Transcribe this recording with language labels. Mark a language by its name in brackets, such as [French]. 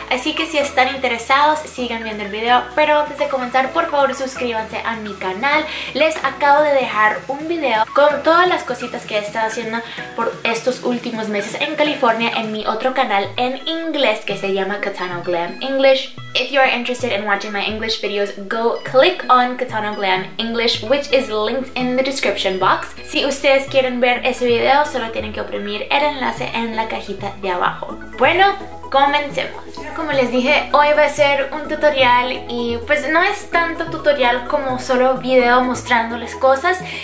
[Spanish] Así que si están interesados, sigan viendo el video. Pero antes de comenzar, por favor suscríbanse a mi canal. Les acabo de dejar un video con todas las cositas que he estado haciendo por estos últimos meses en California en mi otro canal en inglés que se llama Katano Glam English. [English] If you are interested in watching my English videos, go click on Katano Glam English, which is linked in the description box. [Spanish] Si ustedes quieren ver ese video, solo tienen que oprimir el enlace en la cajita de abajo. Bueno, comencemos. Como les dije, hoy va a ser un tutorial y pues no es tanto tutorial como solo video mostrándoles cosas.